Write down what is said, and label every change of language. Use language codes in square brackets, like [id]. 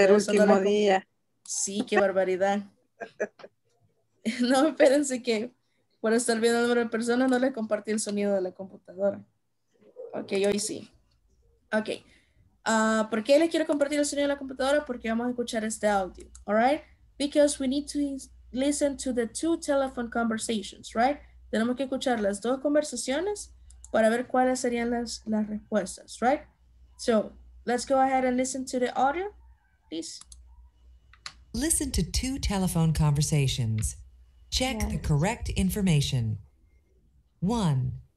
[es] Ser último la día. Sí, qué barbaridad. No, espérense que por estar viendo el número de personas no les compartí el sonido de la computadora. Ok, hoy sí. Ok. ¿Por qué les quiero compartir el sonido de la computadora? Porque vamos a escuchar este audio. Alright? [en] Because we need to listen to the two telephone conversations, right? [es] Tenemos que escuchar las dos conversaciones para ver cuáles serían las respuestas, right? [en] So, let's go ahead and listen to the audio, please. Listen to two telephone conversations. Check the correct information. One.